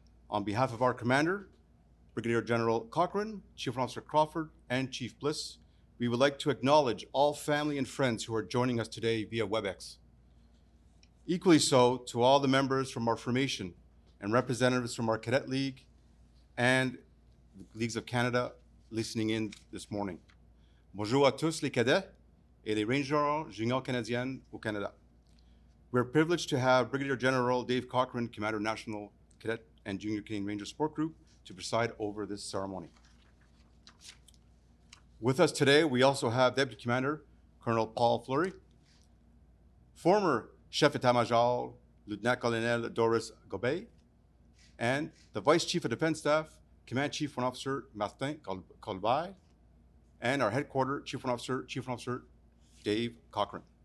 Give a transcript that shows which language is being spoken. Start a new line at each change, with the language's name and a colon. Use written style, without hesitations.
English: On behalf of our commander, Brigadier General Cochrane, Chief Warrant Officer Crawford, and Chief Bliss, we would like to acknowledge all family and friends who are joining us today via WebEx. Equally so to all the members from our formation and representatives from our Cadet League and the Leagues of Canada listening in this morning.
French: Bonjour à tous les cadets et les rangers juniors canadiens au Canada.
English: We're privileged to have Brigadier General Dave Cochrane, Commander National Cadet and Junior Canadian Ranger Support Group, to preside over this ceremony. With us today, we also have Deputy Commander, Colonel Paul Fleury, former Chef d'État-Major, Lieutenant-Colonel Doris Gobet, and the Vice Chief of Defense Staff, Command Chief Warrant Officer Martin Colby, and our Headquarters Chief Warrant Officer Dave Cochrane.